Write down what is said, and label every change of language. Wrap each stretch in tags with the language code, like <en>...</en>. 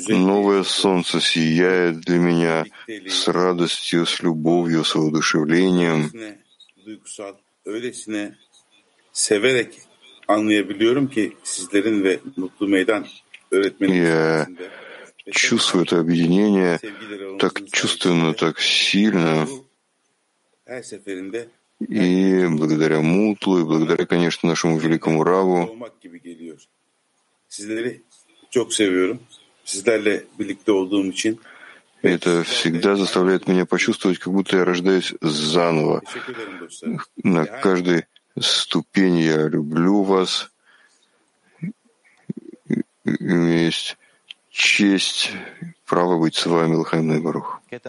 <ru>Новое солнце сияет для меня с радостью, с любовью, с воодушевлением.</ru> <tr>Duygusal, öylesine severek anlayabiliyorum ki sizlerin ve Mutlu Meydan öğretmeninin içerisinde.</tr> <ru>Чувствую это объединение так чувственно, так сильно.</ru> <tr>Her seferinde.</tr> <ru>И благодаря Мутлу, и благодаря, конечно, нашему великому Раву.</ru> <tr>Sizleri çok seviyorum. Sizlerle birlikte olduğum için.</tr> <ru>Это всегда заставляет меня почувствовать, как будто я рождаюсь заново. На каждой ступени я люблю вас. У меня есть честь, право быть с вами,</ru> <he>Лахаим Нейбарух.</he>